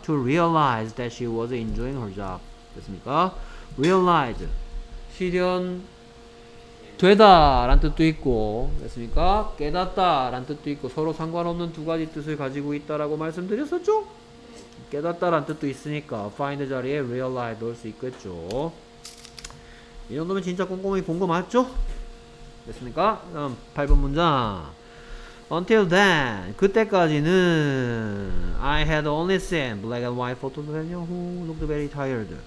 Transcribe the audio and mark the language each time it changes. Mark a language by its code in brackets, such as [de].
[en] to realize that she was enjoying her job. [ko] 그렇습니까? realize. 실현 되다 라는 뜻도 있고 됐습니까? 깨닫다 라는 뜻도 있고 서로 상관없는 두 가지 뜻을 가지고 있다라고 말씀드렸었죠? 깨닫다 라는 뜻도 있으니까 find 자리에 realize 넣을 수 있겠죠. 이 정도면 진짜 꼼꼼히 본 거 맞죠? 됐습니까? 다음 8번 문장. [en] Until then, [ko] 그때까지는 [en] I had only seen black and white photos of you who looked very tired.